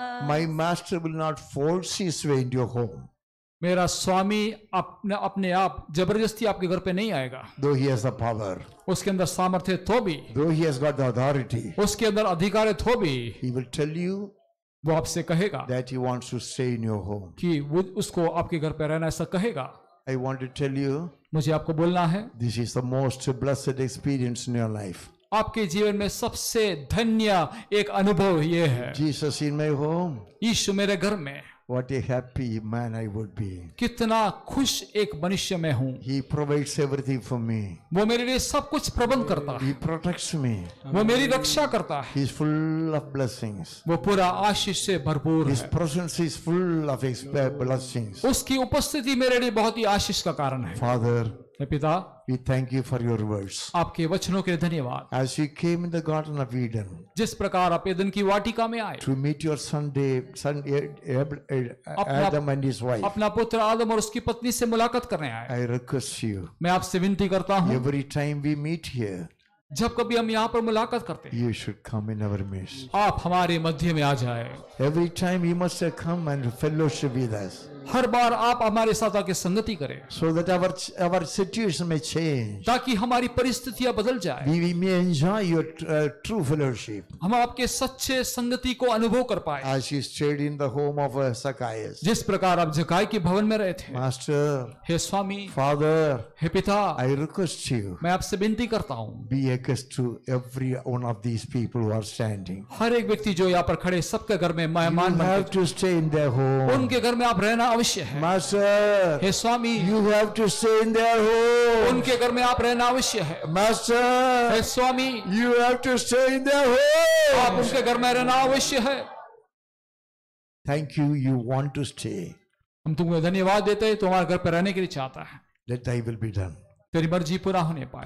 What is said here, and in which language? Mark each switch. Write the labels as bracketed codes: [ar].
[en] My master will not force his way into your home. [hi] मेरा स्वामी अपने आप जबरदस्ती आपके घर पे नहीं आएगा। [en] Though he has the power. [hi] उसके अंदर सामर्थ्य तो भी। [en] Though he has got the authority. [hi] उसके अंदर अधिकार तो भी। [en] He will tell you. [hi] वो आपसे कहेगा। [en] That he wants to stay in your home. [hi] कि वो उसको आपके घर पे रहना ऐसा कहेगा। [en] I want to tell you. [hi] मुझे आपको बोलना है। [en] This is the most blessed experience in your life. [hi] आपके जीवन में सबसे धन्य एक अनुभव ये है। [en] Jesus in my home. [hi] यीशु मेरे घर में। [en] What a happy man I would be. [hi] कितना खुश एक मनुष्य मैं हूँ। [en] He provides everything for me. [hi] वो मेरे लिए सब कुछ प्रबंध करता है। [en] He protects me. [hi] वो मेरी रक्षा करता है। [en] He is full of blessings. [hi] वो पूरा आशीष से भरपूर है। [en] His presence is full of his blessings. [hi] उसकी उपस्थिति मेरे लिए बहुत ही आशीष का कारण है। [en] Father. [hi] पिता, [en] we thank you for your words. [hi] आपके वचनों के धन्यवाद। [en] As you came in the Garden of Eden, [hi] जिस प्रकार आप एदन की वाटिका में आए, [en] to meet your son Adam and his wife, [hi] अपना पुत्र आदम और उसकी पत्नी से मुलाकात करने आए, [en] I request you, [hi] मैं आपसे विनती करता हूँ, [en] every time we meet here, [hi] जब कभी हम यहाँ पर मुलाकात करते हैं, [en] you should come in our midst, [hi] आप हमारे मध्य में आ जाए, [en] every time you must come and fellowship with us. [hi] हर बार आप हमारे साथ आके संगति करें, [en] so that our situation may change, [hi] ताकि हमारी परिस्थितियां बदल जाए, [en] we may enjoy your true fellowship, [hi] हम आपके सच्चे संगति को अनुभव कर पाए, [en] as you stayed in the home of Zacchaeus, [hi] जिस प्रकार आप जकाई के भवन में रहे थे, [en] master, [hi] हे स्वामी, [en] father, [hi] हे पिता, [en] I request you, [hi] मैं आपसे विनती करता हूँ, [en] be a guest to every one of these people who are standing, [hi] हर एक व्यक्ति जो यहाँ पर खड़े सबके घर में मेहमान, [en] you have to stay in their home, [hi] उनके घर में आप रहना अवश्य है, [en] Master, [hi] hey Swami, [en] you have to stay in their home, [hi] उनके घर में आप रहना अवश्य है, [en] Master, [hi] hey Swami, [en] you have to stay in their home, [hi] आप उनके घर में रहना अवश्य है, [en] Thank you, you want to stay, [hi] हम तुम्हें धन्यवाद देते हैं, तुम्हारे घर पर रहने के लिए चाहता है, [en] Let thy will be done. [hi] तेरी मर्जी पूरा होने पाए।